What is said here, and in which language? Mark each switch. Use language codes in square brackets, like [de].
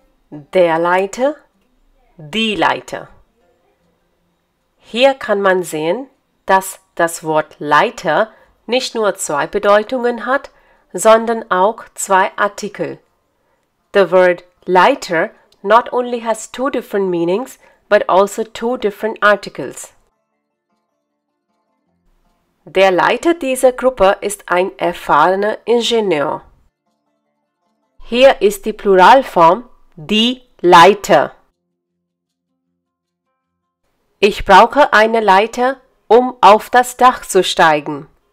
[de] Der Leiter, die Leiter. Hier kann man sehen, dass das Wort Leiter nicht nur zwei Bedeutungen hat, sondern auch zwei Artikel. [en] The word Leiter not only has two different meanings, but also two different articles. [de] Der Leiter dieser Gruppe ist ein erfahrener Ingenieur. Hier ist die Pluralform die Leiter. Ich brauche eine Leiter, um auf das Dach zu steigen.